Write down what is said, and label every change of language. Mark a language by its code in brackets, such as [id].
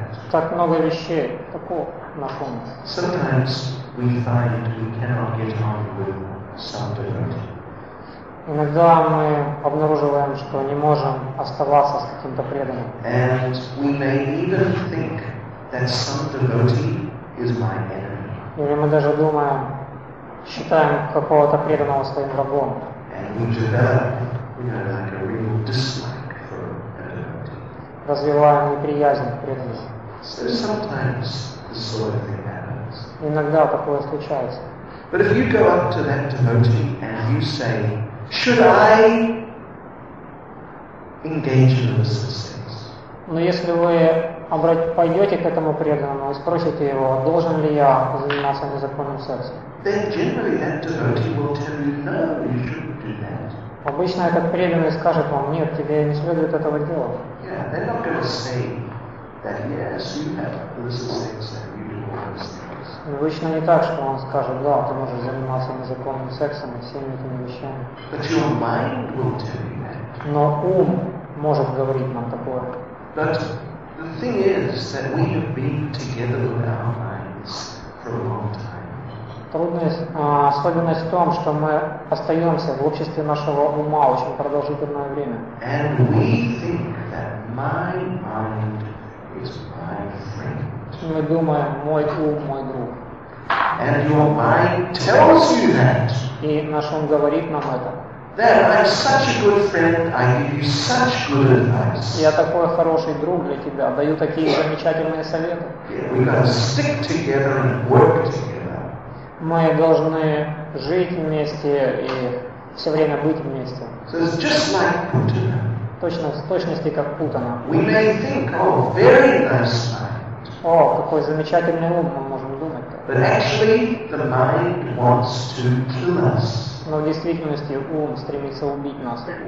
[ru] Так много вещей, такого на ком. [en] Sometimes we find we cannot get on with some devotee. [ru] Иногда мы обнаруживаем, что не можем оставаться с каким-то преданным. [en] And we may even think that some devotee is my enemy. [ru] Или мы даже думаем, считаем какого-то преданного своим врагом. [en] And we develop, you know, like a real dislike for a devotee. [ru] Развиваем неприязнь к преданным. [en] So sometimes this sort of thing happens. [ru] Иногда такое случается. [en] But if you go up to that devotee and you say, should I engage in this sense? [ru] Но если вы пойдете к этому преданному и спросите его, должен ли я заниматься незаконным сексом. [en] Then generally that devotee will tell you, no, you shouldn't do that. [ru] Обычно этот преданный скажет вам, нет, тебе не следует этого делать. [en] Yeah, they're not going to say that, yes, you have illicit sex and you do all those things. [ru] Обычно не так, что он скажет, да, ты можешь заниматься незаконным сексом и всеми этими вещами. [en] But your mind will tell you that. [ru] Но ум может говорить нам такое. [en] The thing is that we have been together with our minds for a long time. [ru] Особенность в том, что мы остаемся в обществе нашего ума очень продолжительное время. [en] And we think that my mind is my friend. [ru] Мы думаем, мой ум мой друг. [en] And your mind tells you that. [ru] И наш ум говорит нам это. [en] Then I'm such a good friend. I give you such good advice. [ru] Я такой хороший друг для тебя. Даю такие замечательные советы. [en] We gotta stick together and work together. [ru] Мы должны жить вместе и все время быть вместе. [en] So it's just like Putin. [ru] Точно, в точности как Путина. [en] We may think, oh, very nice mind. [ru] О, какой замечательный ум мы можем думать. [en] But actually, the mind wants to kill us. [ru] Но в действительности ум стремится убить нас.